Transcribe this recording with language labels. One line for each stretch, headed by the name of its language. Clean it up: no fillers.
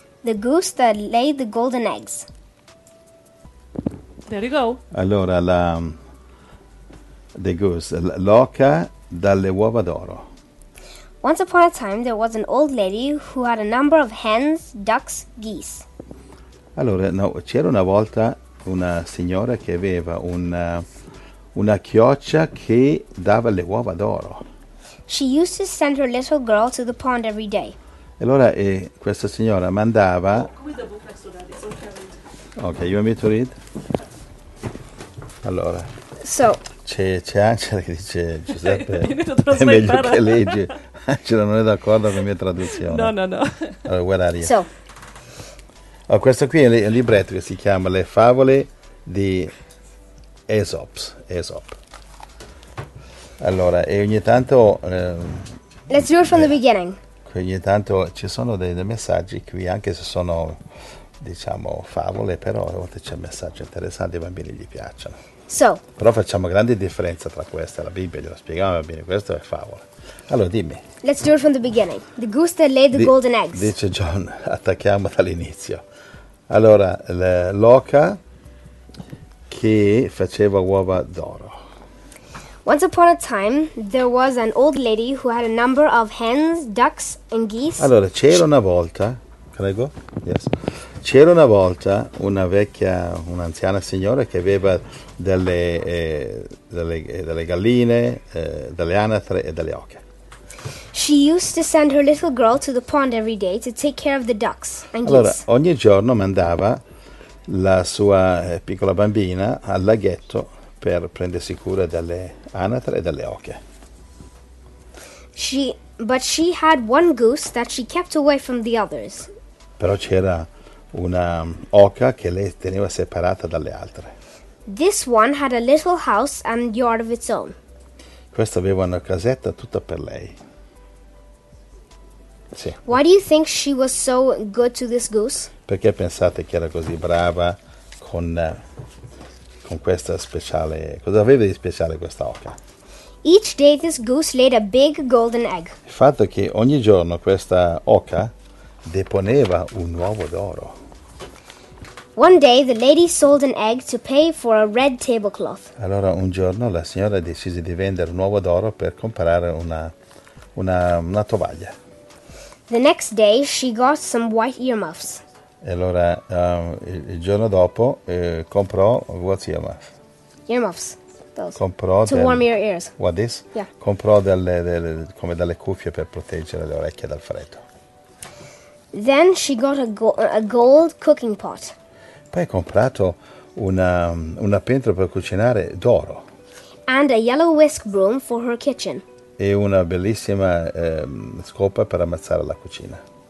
English: The goose that laid the golden eggs. There you go.
Italian: Allora, la...
English: The goose.
Italian: L'oca dalle uova d'oro.
English: Once upon a time, there was an old lady who had a number of hens, ducks, geese.
Italian: Allora, no, c'era una volta una signora che aveva una chioccia che dava le uova d'oro.
English: She used to send her little girl to the pond every day.
Italian: Allora, questa signora mandava... Oh,
English: come the book next to that? It's okay. Okay, you want me to read?
Italian: Allora.
English: So...
Italian: C'è Angela che dice, Giuseppe, è meglio che leggi. Angela non è d'accordo con la mia traduzione. No. Allora,
English: where are you? So...
Italian: Oh, questo qui è il libretto che si chiama Le favole di Aesop. Allora, e ogni tanto...
English: Let's do it from the beginning.
Italian: Ogni tanto ci sono dei messaggi qui, anche se sono, diciamo, favole, però a volte c'è un messaggio interessante, i bambini gli piacciono.
English: So.
Italian: Però facciamo grande differenza tra questa e la Bibbia, glielo spieghiamo ai bambini, questo è favola. Allora, dimmi.
English: Let's do it from the beginning. The goose that laid the golden eggs.
Italian: Dice John, attacchiamo dall'inizio. Allora, l'oca che faceva uova d'oro.
English: Once upon a time, there was an old lady who had a number of hens, ducks, and geese.
Italian: Allora, c'era una volta, prego, yes, c'era una volta una vecchia, un'anziana signora che aveva delle galline, delle anatre e delle oche.
English: She used to send her little girl to the pond every day to take care of the ducks and geese.
Italian: Allora, ogni giorno mandava la sua piccola bambina al laghetto per prendersi cura delle anatre e delle oche.
English: But she had one goose that she kept away from the others.
Italian: Però c'era una oca che lei teneva separata dalle altre.
English: This one had a little house and yard of its own.
Italian: Questa aveva una casetta tutta per lei. Sì.
English: Why do you think she was so good to this goose?
Italian: Perché pensate che era così brava con questa speciale... Cosa aveva di speciale questa oca?
English: Each day this goose laid a big golden egg.
Italian: Il fatto che ogni giorno questa oca deponeva un uovo d'oro.
English: One day the lady sold an egg to pay for a red tablecloth.
Italian: Allora un giorno la signora decise di vendere un uovo d'oro per comprare una tovaglia.
English: The next day she got some white earmuffs.
Italian: Allora il giorno dopo comprò
English: what's earmuffs? Earmuffs.
Italian: Comprò
English: to warm your ears. What this? Yeah.
Italian: Comprò delle cuffie per proteggere le orecchie dal freddo.
English: Then she got a gold cooking pot.
Italian: Poi ha comprato una pentola per cucinare d'oro.
English: And a yellow whisk broom for her kitchen.
Italian: E una bellissima scopa per ammazzare la cucina.